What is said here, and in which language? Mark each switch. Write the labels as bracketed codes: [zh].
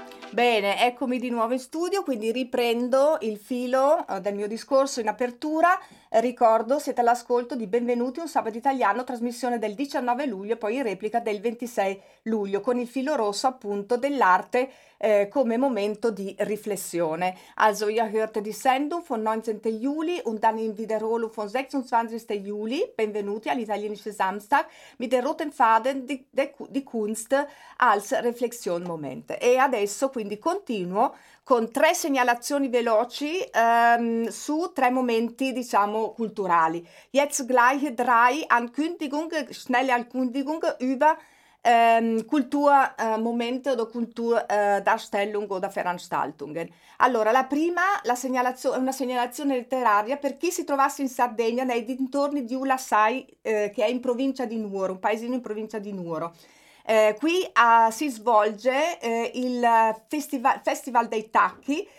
[it] Bene, eccomi di nuovo in studio, quindi riprendo il filo del mio discorso in apertura. Ricordo, siete all'ascolto di Benvenuti un sabato italiano, trasmissione del 19 luglio, poi in replica del 26 luglio, con il filo rosso appunto dell'arte come momento di riflessione. [de] Also ihr hört die Sendung von 19. Juli und dann in Wiederholung von 26. Juli. Benvenuti all'italienische Samstag mit der roten Faden di Kunst als Reflexion Moment. [it] E adesso quindi continuo con tre segnalazioni veloci su tre momenti, diciamo, culturali. [de] Jetzt gleich drei Ankündigungen, schnelle Ankündigungen über Kulturmomente oder Kulturdarstellung oder Veranstaltungen. [it] Allora, la prima la segnalazione, una segnalazione letteraria per chi si trovasse in Sardegna, nei dintorni di Ulassai, che è in provincia di Nuoro, un paesino in provincia di Nuoro. Qui si svolge il Festival dei Tacchi.